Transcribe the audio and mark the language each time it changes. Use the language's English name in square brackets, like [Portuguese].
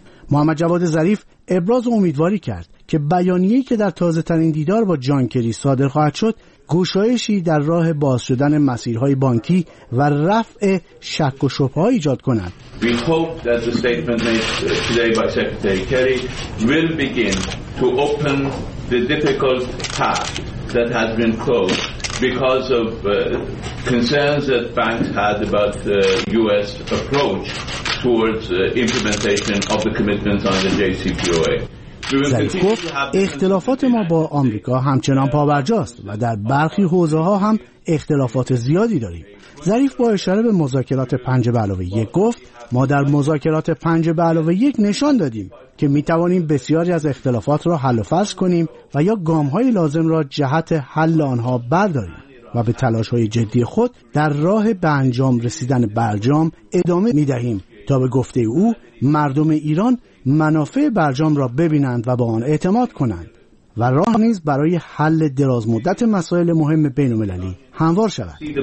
[Persian] محمد جواد ظریف ابراز امیدواری کرد که بیانیه‌ای که در تازه‌ترین دیدار با جان کری صادر خواهد شد گشایشی در راه باز شدن مسیرهای بانکی و رفع شک و شبهه‌ها ایجاد کند. [English] We hope that the statement made today by Secretary Kerry will begin to open the difficult path that has been closed because of concerns that banks had about the US approach towards implementation of the commitments on the JCPOA. [Persian] ظریف گفت اختلافات ما با آمریکا همچنان پابرجاست و در برخی حوزه ها هم اختلافات زیادی داریم. ظریف با اشاره به مذاکرات 5+1 گفت ما در مذاکرات 5+1 نشان دادیم که می توانیم بسیاری از اختلافات را حل و فصل کنیم و یا گام های لازم را جهت حل آنها برداریم و به تلاش های جدی خود در راه به انجام رسیدن برجام ادامه می دهیم تا به گفته او مردم ایران منافع برجام را ببینند و به آن اعتماد کنند و راه نیز برای حل درازمدت مسائل مهم بین المللی هموار شود.